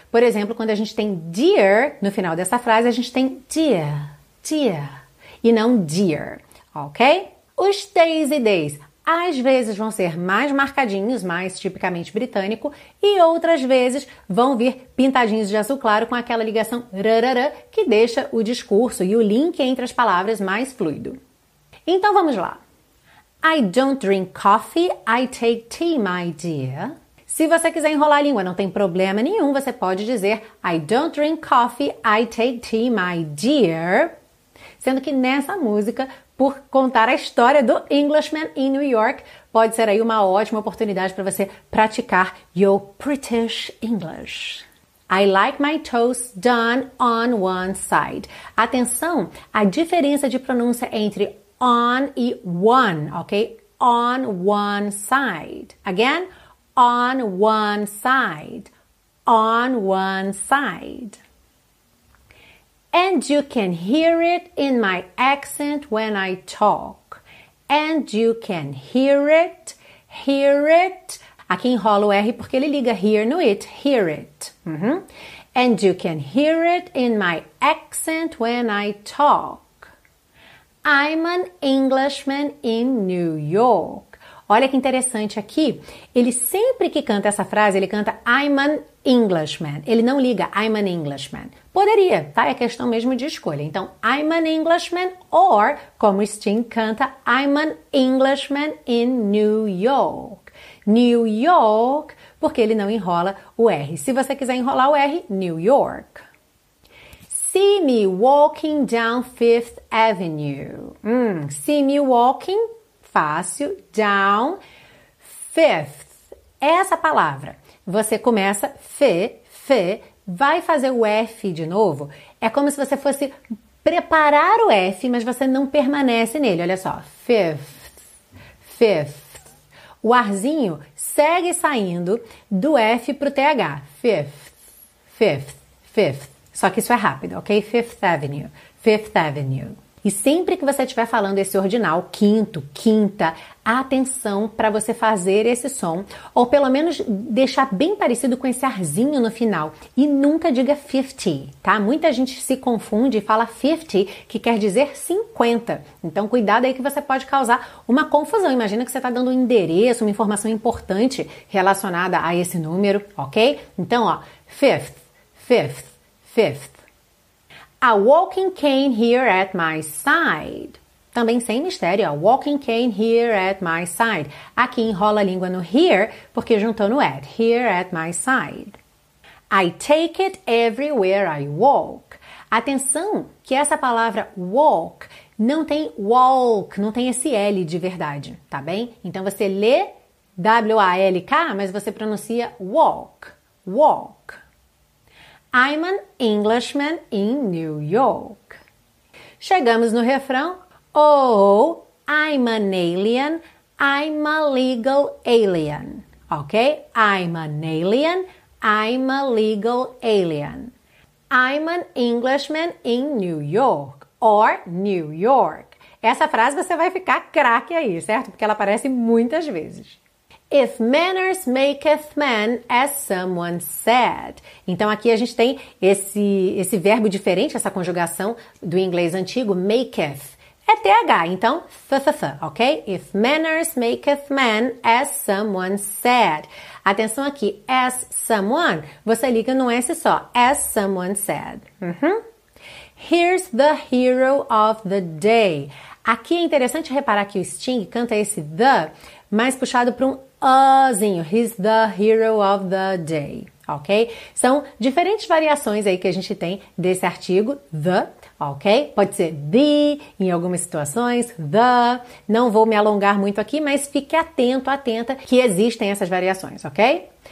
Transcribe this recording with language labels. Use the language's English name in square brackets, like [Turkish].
[Portuguese] Por exemplo, quando a gente tem dear no final dessa frase, a gente tem dear, dear, e não dear, ok? Os T's e D's às vezes vão ser mais marcadinhos, mais tipicamente britânico, e outras vezes vão vir pintadinhos de azul claro com aquela ligação rarara que deixa o discurso e o link entre as palavras mais fluido. Então vamos lá. [English] I don't drink coffee, I take tea, my dear. [Portuguese] Se você quiser enrolar a língua, não tem problema nenhum, você pode dizer [English] I don't drink coffee, I take tea, my dear. [Portuguese] Sendo que nessa música, por contar a história do Englishman in New York, pode ser aí uma ótima oportunidade para você praticar [English] your British English. I like my toast done on one side. Atenção, a diferença de pronúncia entre on e one, ok? On one side. Again, on one side. On one side. And you can hear it in my accent when I talk. And you can hear it, hear it. [Portuguese] Aqui enrola o R porque ele liga hear no it, hear it. Uhum. [English] And you can hear it in my accent when I talk. I'm an Englishman in New York. [Portuguese] Olha que interessante aqui. Ele sempre que canta essa frase, ele canta [English] I'm an Englishman. [Portuguese] Ele não liga I'm an Englishman. Poderia, tá? É questão mesmo de escolha. Então, I'm an Englishman or, como Sting canta, [English] I'm an Englishman in New York. [Portuguese] New York, porque ele não enrola o R. Se você quiser enrolar o R, New York. [English] See me walking down Fifth Avenue. See me walking, [Portuguese] fácil, [English] down Fifth. [Portuguese] Essa palavra, você começa fe, vai fazer o F de novo. É como se você fosse preparar o F, mas você não permanece nele. Olha só, Fifth, Fifth. O arzinho segue saindo do F pro TH. Fifth, Fifth, Fifth. Só que isso é rápido, ok? [English] Fifth Avenue, Fifth Avenue. [Portuguese] E sempre que você estiver falando esse ordinal, quinto, quinta, atenção para você fazer esse som, ou pelo menos deixar bem parecido com esse arzinho no final. E nunca diga 50, tá? Muita gente se confunde e fala 50, que quer dizer 50. Então cuidado aí que você pode causar uma confusão. Imagina que você está dando um endereço, uma informação importante relacionada a esse número, ok? Então, ó, [English] fifth, fifth. Fifth. A walking cane here at my side. [Portuguese] Também sem mistério, [English] a walking cane here at my side. [Portuguese] Aqui enrola a língua no here, porque juntou no at. [English] Here at my side. I take it everywhere I walk. [Portuguese] Atenção que essa palavra walk não tem walk, não tem esse L de verdade, tá bem? Então você lê W-A-L-K, mas você pronuncia walk, walk. [English] I'm an Englishman in New York. [Portuguese] Chegamos no refrão. [English] Oh, I'm an alien, I'm a legal alien. Ok? I'm an alien, I'm a legal alien. I'm an Englishman in New York. Or New York. [Portuguese] Essa frase você vai ficar craque aí, certo? Porque ela aparece muitas vezes. [English] If manners maketh man, as someone said. [Portuguese] Então aqui a gente tem esse verbo diferente, essa conjugação do inglês antigo, maketh. É TH, então th, ok? [English] If manners maketh man, as someone said. [Portuguese] Atenção aqui, as someone, você liga num S só, [English] as someone said. [Portuguese] Uhum. [English] Here's the hero of the day. [Portuguese] Aqui é interessante reparar que o Sting canta esse the, mais puxado para um ozinho. [English] He's the hero of the day, ok? [Portuguese] São diferentes variações aí que a gente tem desse artigo, the, ok? Pode ser the em algumas situações, the. Não vou me alongar muito aqui, mas fique atento, atenta, que existem essas variações, ok?